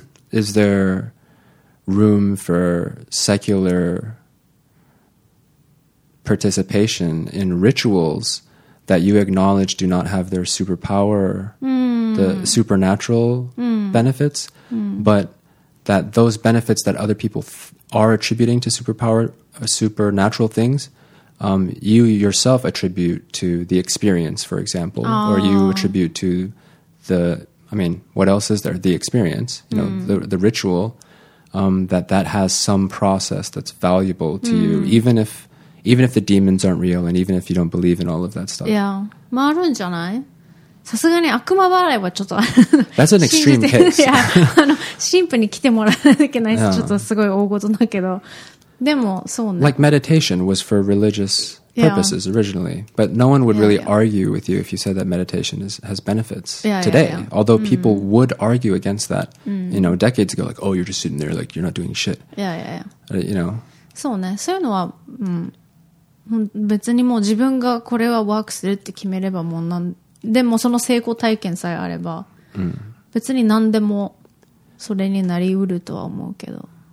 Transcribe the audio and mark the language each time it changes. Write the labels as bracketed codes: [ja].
[en] is there room for secular participation in rituals that you acknowledge do not have their superpower, the supernatural benefits, but that those benefits that other people are attributing to supernatural things, you yourself attribute to the experience, for example, or you attribute to the, I mean, what else is there? The experience, you know, the ritual, that has some process that's valuable to you, even if the demons aren't real and even if you don't believe in all of that stuff. [ja] Yeah. まああるんじゃない? さすがに悪魔払いはちょっと。 [en] That's an extreme case. [ja] Yeah. あの、神父に来てもらわなきゃいけないし、ちょっとすごい大事だけど。でも、そうね。 [en] Like meditation was for religious purposes originally. But no one would really argue with you if you said that meditation has benefits today. Yeah. Although people would argue against that, you know, decades ago. Like, oh, you're just sitting there, like, you're not doing shit. Yeah. You know? [ja] そうね。そういうのは、別にもう自分がこれはワークするって決めればもう何でもその成功体験さえあれば、別に何でもそれになりうるとは思うけど。